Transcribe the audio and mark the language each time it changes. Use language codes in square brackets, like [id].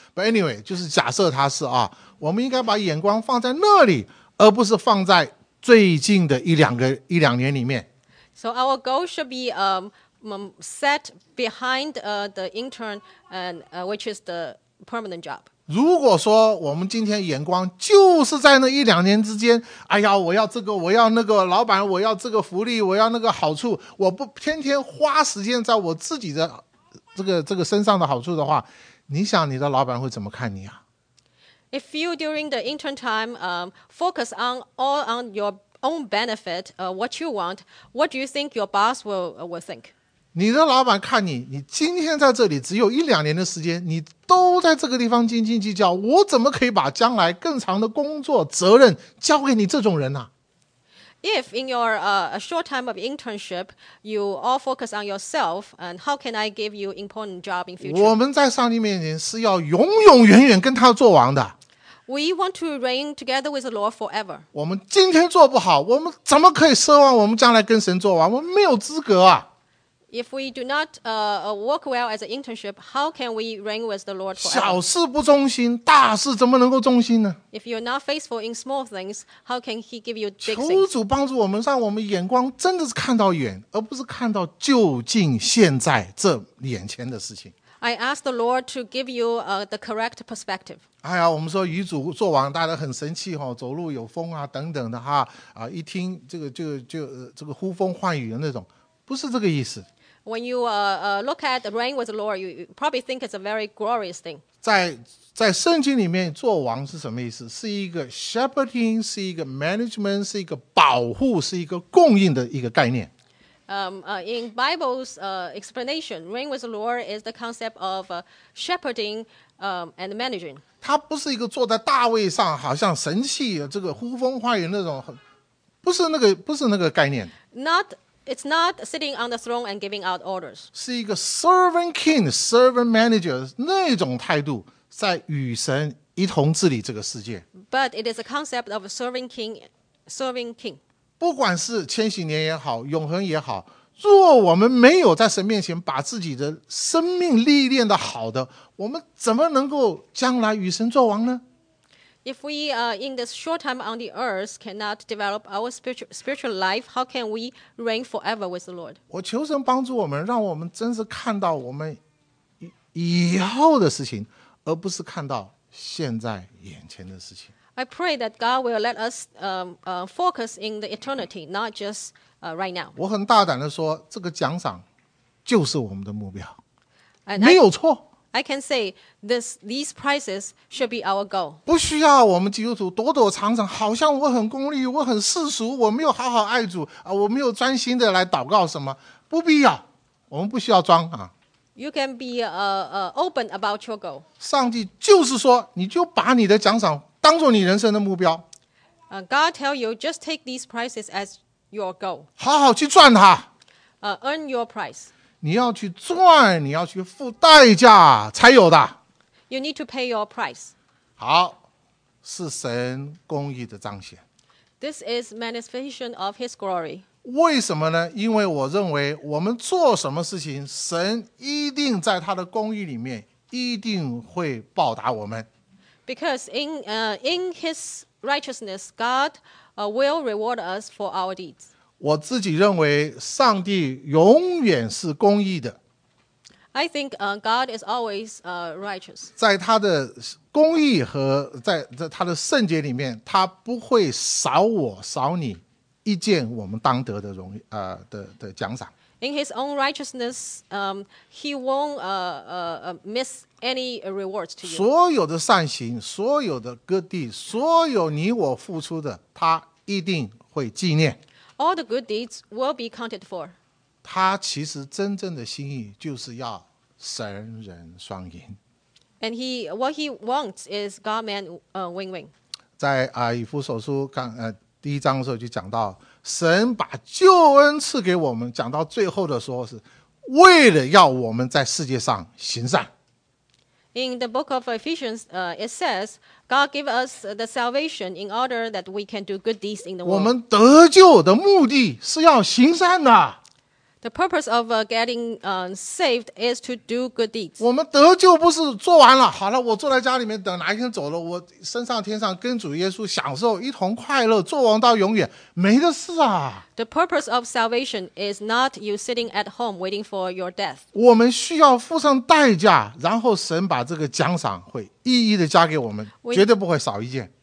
[en] But anyway, [zh] 就是假设他是啊，我们应该把眼光放在那里，而不是放在最近的一两年里面。 [en] So our goal should be set behind the intern and which is the permanent job. [zh] 如果说我们今天眼光就是在那一两年之间，哎呀，我要这个，我要那个，老板，我要这个福利，我要那个好处，我不天天花时间在我自己的这个身上的好处的话，你想你的老板会怎么看你啊？ [en] If you during the intern time focus on all on your own benefit, what you want, what do you think your boss will think? [zh] 你的老板看你，你今天在这里只有一两年的时间，你都在这个地方斤斤计较，我怎么可以把将来更长的工作责任交给你这种人呢、啊、 [en] ？If in your a short time of internship, you all focus on yourself, and how can I give you important job in future? [zh] 我们在上帝面前是要永永远远跟他做王的。 [en] We want to reign together with the Lord forever. [zh] 我们今天做不好，我们怎么可以奢望我们将来跟神做王？我们没有资格啊！ [en] If we do not work well as an internship, how can we reign with the Lord forever? [zh] 小事不忠心，大事怎么能够忠心呢？ [en] If you're not faithful in small things, how can he give you big things? [zh] 求主帮助我们，让我们眼光真的是看到远，而不是看到就近现在这眼前的事情。 [en] I ask the Lord to give you the correct perspective. [zh] 哎呀，我们说与主作王，大家很神气哈、哦，走路有风啊，等等的哈，一听这个呼风唤雨的那种，不是这个意思。 [en] When you look at the reign with the Lord, you probably think it's a very glorious thing. [zh] 在圣经里面，做王是什么意思？是一个 shepherding, 是一个 management, 是一个保护，是一个供应的一个概念。 [en] In Bible's explanation, reign with the Lord is the concept of shepherding and managing. [zh] 他不是一个坐在大位上，好像神气这个呼风唤雨那种，不是那个概念。 [en] It's not sitting on the throne and giving out orders. [zh] 是一个 [en] servant king, servant manager [zh] 那种态度，在与神一同治理这个世界。 [en] But it is a concept of a serving king, serving king. [zh] 不管是千禧年也好，永恒也好，若我们没有在神面前把自己的生命历练的好的，我们怎么能够将来与神作王呢？ [en] If we in this short time on the earth cannot develop our spiritual life, how can we reign forever with the Lord? [zh] 我求神帮助我们，让我们真是看到我们以后的事情，而不是看到现在眼前的事情。 [en] I pray that God will let us focus in the eternity, not just right now. [zh] 我很大胆地说，这个奖赏就是我们的目标。 [en] And [zh] 没有错。 [en] I can say these prizes should be our goal. [zh] 不需要我们基督徒躲躲藏藏，好像我很功利，我很世俗，我没有好好爱主，我没有专心的来祷告什么，不必要，我们不需要装啊。 [en] You can be open about your goal. [zh] 上帝就是说，你就把你的奖赏当作你人生的目标。 [en] God tell you, just take these prizes as your goal. [zh] 好好去赚它。 [en] Earn your prize. [zh] 你要去赚，你要去付代价才有的。 [en] You need to pay your price. [zh] 好，是神公义的彰显。 [en] This is manifestation of His glory. [zh] 为什么呢？因为我认为我们做什么事情，神一定在他的公义里面一定会报答我们。 [en] Because in His righteousness, God will reward us for our deeds. [zh] 我自己认为上帝永远是公义的。 [en] I think God is always righteous. [zh] 在他的公义和 在他的圣洁里面，他不会少我少你一件我们当得的荣誉的奖赏。 [en] In his own righteousness, he won't miss any rewards to you. [zh] 所有的善行，所有的 [en] good deeds， [zh] 所有你我付出的，他一定会纪念。 [en] All the good deeds will be counted for. [zh] 他其实真正的心意就是要神人双赢。 [en] And what he wants is God man win-win. [zh] 在以弗所书第一章的时候就讲到，神把救恩赐给我们，讲到最后的时候是为了要我们在世界上行善。 [en] In the book of Ephesians, it says, God gave us the salvation in order that we can do good deeds in the world. [zh] 我们得救的目的是要行善的。 [en] The purpose of getting saved is to do good deeds. [zh] 我们得救不是做完了，好了，我坐在家里面等哪一天走了，我升上天上跟主耶稣享受一同快乐，作王到永远，没的事啊。 [en] The purpose of salvation is not you sitting at home waiting for your death. [zh] 我们需要付上代价，然后神把这个奖赏会一一的加给我们，绝对不会少一件。